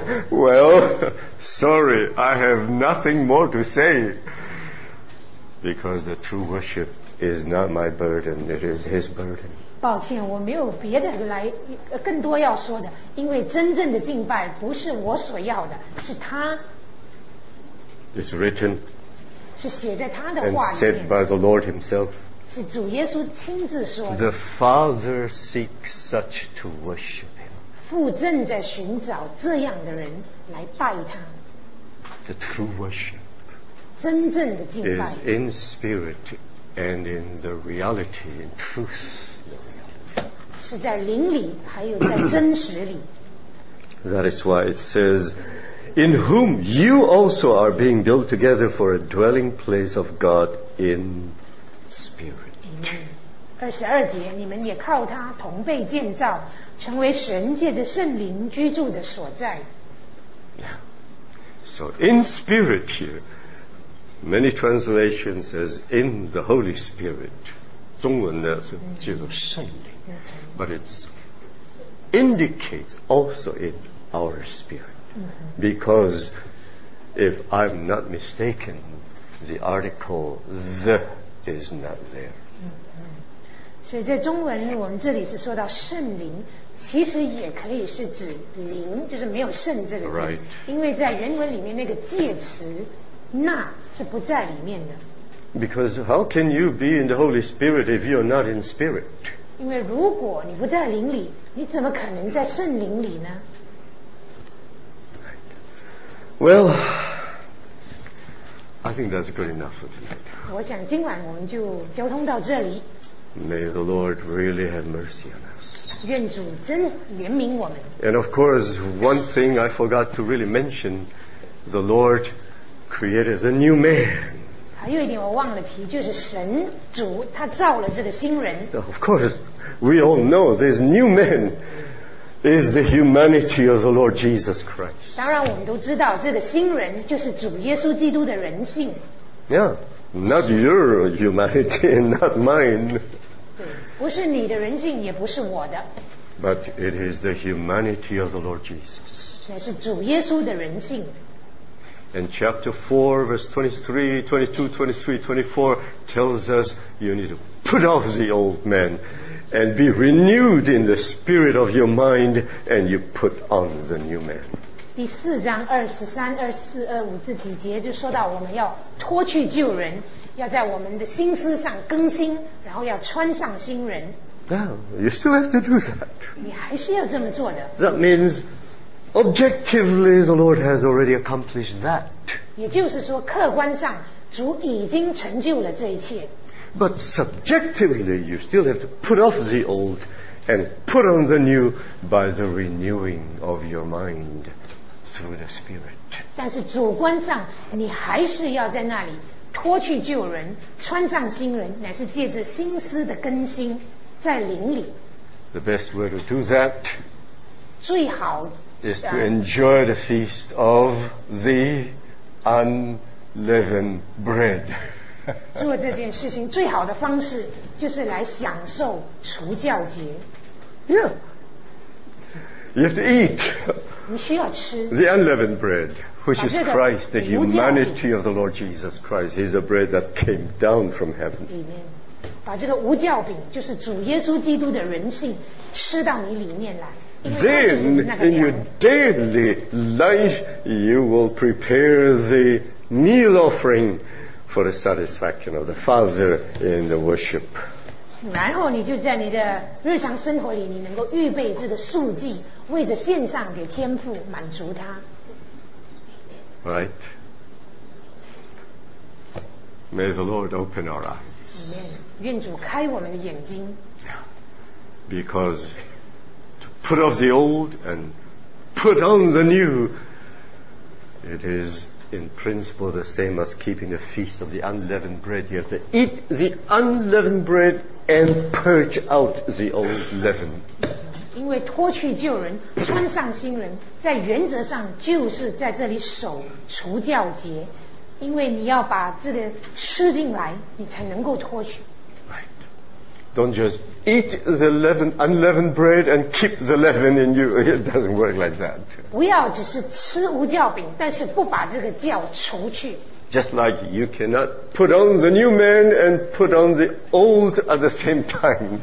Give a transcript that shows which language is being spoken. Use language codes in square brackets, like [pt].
[en] Well, sorry, I have nothing more to say. Because the true worship is not my burden, it is his burden. [zh] 抱歉，我没有别的来更多要说的，因为真正的敬拜不是我所要的，是他。 [en] It's written. [zh] 是写在他的话里面。 [en] And said by the Lord himself. [zh] 是主耶稣亲自说的。 [en] The Father seeks such to worship him. [zh] 父正在寻找这样的人来拜他。 [en] The true worship. [zh] 真正的敬拜。 [en] Is in spirit and in the reality in truth. [zh] 是在灵里还有在真实里。 [en] That is why it says,In whom you also are being built together for a dwelling place of God in spirit. [zh] 22节，你们也靠他同被建造，成为神借着圣灵居住的所在。 [en] So in spirit here, many translations says in the Holy Spirit. [zh] 中文呢是借着圣灵。 [en] But it indicates also in our spirit. Because if I'm not mistaken, the article the is not there. [zh] 所以在中文我们这里是说到圣灵，其实也可以是指灵，就是没有圣这个字。 [en] Right. [zh] 因为在原文里面那个介词那是不在里面的。 [en] Because how can you be in the Holy Spirit if you're not in spirit? [zh] 因为如果你不在灵里，你怎么可能在圣灵里呢？ [en] Well, I think that's good enough for tonight. [zh] 我想今晚我们就交通到这里。 [en] May the Lord really have mercy on us. [zh] 愿主真怜悯我们。 [en] And of course, one thing I forgot to really mention, the Lord created a new man. [zh] 还有一点我忘了提，就是神主他造了这个新人。 [en] Of course, we all know this new man. Is the humanity of the Lord Jesus Christ. [zh] 当然我们都知道这个新人就是主耶稣基督的人性。 [en] Yeah, not your humanity, not mine. [zh] 对，不是你的人性，也不是我的。 [en] But it is the humanity of the Lord Jesus. [zh] 那是主耶稣的人性。 [en] And chapter 4, verse 23, 22, 23, 24 tells us you need to put off the old man. And be renewed in the spirit of your mind, and you put on the new man. [zh] 第四章二十三、二四、二五这几节就说到我们要脱去旧人，要在我们的心思上更新，然后要穿上新人。 [en] Now, you still have to do that. [zh] 你还是要这么做的。 [en] That means, objectively, the Lord has already accomplished that. [zh] 也就是说，客观上，主已经成就了这一切。 [en] But subjectively, you still have to put off the old and put on the new by the renewing of your mind through the Spirit. [zh] 但是主观上，你还是要在那里脱去旧人，穿上新人，乃是借着心思的更新，在灵里。 [en] The best way to do that [zh] 最好 [en] is to enjoy the feast of the unleavened bread. [zh] 做这件事情最好的方式就是来享受除酵节。 [en] Yeah, you have to eat. [zh] 你需要吃。 [en] The unleavened bread, which is Christ, the humanity of the Lord Jesus Christ, He's the bread that came down from heaven. [zh] 里面，把这个无酵饼，就是主耶稣基督的人性，吃到你里面来。 [en] Then in your daily life, you will prepare the meal offering. For the satisfaction of the Father in the worship. [zh] 然后你就在你的日常生活里，你能够预备这个素祭，为着献上给天父，满足他。 [en] Right. May the Lord open our eyes. [zh] Amen. 愿主开我们的眼睛。 [en] because to put off the old and put on the new, it is in principle the same as keeping the feast of the unleavened bread. You have to eat the unleavened bread and purge out the old leaven. [zh] 因为脱去旧人，穿上新人，在原则上就是在这里守除酵节，因为你要把这个吃进来，你才能够脱去。 [en] Right. Don't just eat the leaven, unleavened bread and keep the leaven in you. It doesn't work like that. [zh] 不要只是吃无酵饼，但是不把这个酵除去。 [en] Just like you cannot put on the new man and put on the old at the same time.